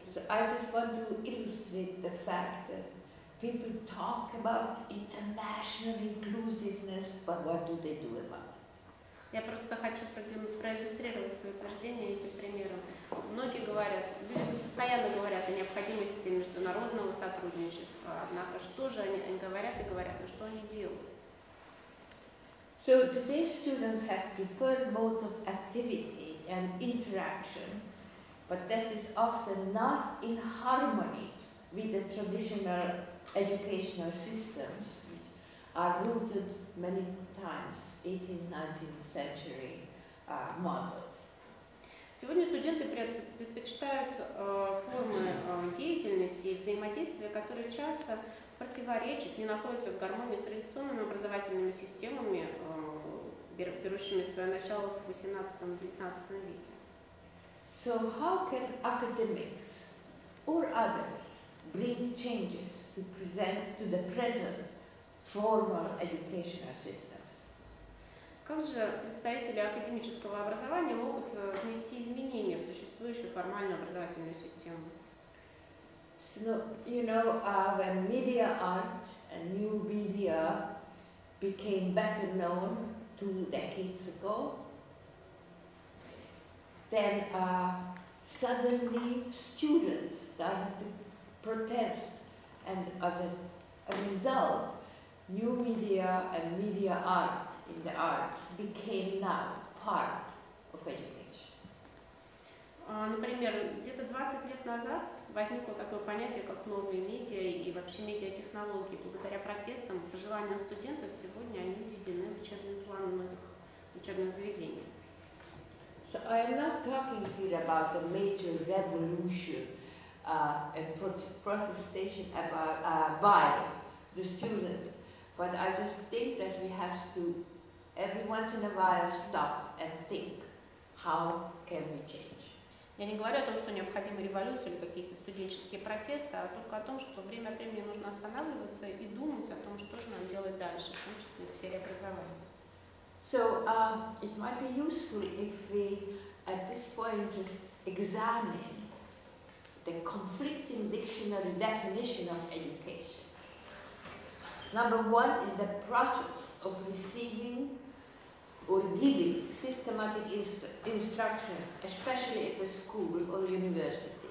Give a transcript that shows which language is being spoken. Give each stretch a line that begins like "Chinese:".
English: So I just want to illustrate the fact that people talk about international inclusiveness, but what do they do about it?
Russian: Я просто хочу проиллюстрировать свои утверждения этим примером. Многие говорят, люди постоянно говорят о необходимости международного сотрудничества, однако что же они говорят и говорят, но что они делают?
English: So today students have preferred modes of activity and interaction, but that is often not in harmony with the traditional educational systems are rooted many times 18th, 19th century models.
Russian: Сегодня студенты предпочитают формы деятельности и взаимодействия, которые часто противоречат, не находятся в гармонии с традиционными образовательными системами, берущими свое начало в 18-19 веке.
English: So how can academics or others bring changes to present to the present formal educational systems?
Russian: Как же представители академического образования могут внести изменения в существующую формальную образовательную систему?
English: So, you know, when media art and new media became better known 2 decades ago, then suddenly students started to protest, and as a result, new media and media art in the arts became now part of education.
Russian: Например, где-то 20 лет назад возникло такое понятие, как новые медиа и вообще медиатехнологии. Благодаря протестам, пожеланиям студентов, сегодня они введены в учебный план многих учебных заведений.
English: So I am not talking here about a major revolution and protestation about by the student, but I just think that we have to every once in a while stop and think, how can we change?
Russian: Я не говорю о том, что необходима революция или какие-то студенческие протесты, а только о том, что время от времени нужно останавливаться и думать о том, что же нам делать дальше, в том числе в сфере образования.
English: So it might be useful if we at this point just examine the conflicting dictionary definition of education. Number one is the process of receiving or giving systematic instruction, especially at the school or university.